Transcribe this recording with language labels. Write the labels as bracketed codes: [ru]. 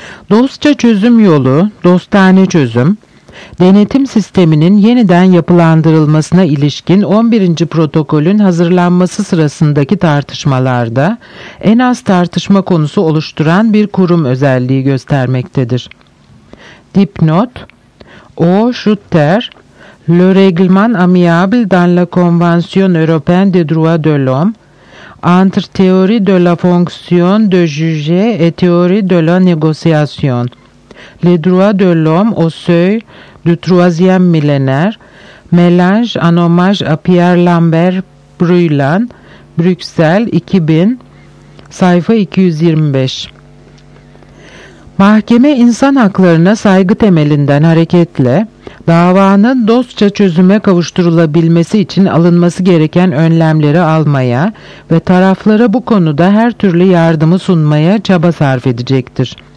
[tr] Dostça çözüm yolu, dostane çözüm, denetim sisteminin yeniden yapılandırılmasına ilişkin 11. protokolün hazırlanması sırasındaki tartışmalarda en az tartışma konusu oluşturan bir kurum özelliği göstermektedir. Dipnot, O. [fr] Schutter, Le règlement amiable dans la Convention européenne des droits de l'homme, entre théorie de la fonction de juge et théorie de la négociation, Les droits de l'homme au seuil du troisième millénaire, mélange en hommage à Pierre Lambert Bruylan, Bruxelles 2000, sayfa 225. [tr] Mahkeme insan haklarına saygı temelinden hareketle davanın dostça çözüme kavuşturulabilmesi için alınması gereken önlemleri almaya ve taraflara bu konuda her türlü yardımı sunmaya çaba sarf edecektir.